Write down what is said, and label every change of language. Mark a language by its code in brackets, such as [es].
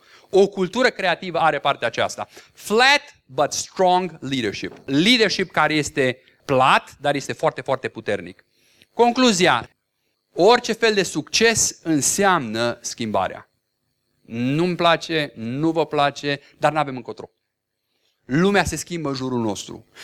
[ro] O cultură creativă are partea aceasta. [en] Flat but strong leadership. [ro] Leadership care este plat, dar este foarte, foarte puternic. Concluzia. Orice fel de succes înseamnă schimbarea. Nu-mi place, nu vă place, dar n-avem încotro. Lumea se schimbă în jurul nostru.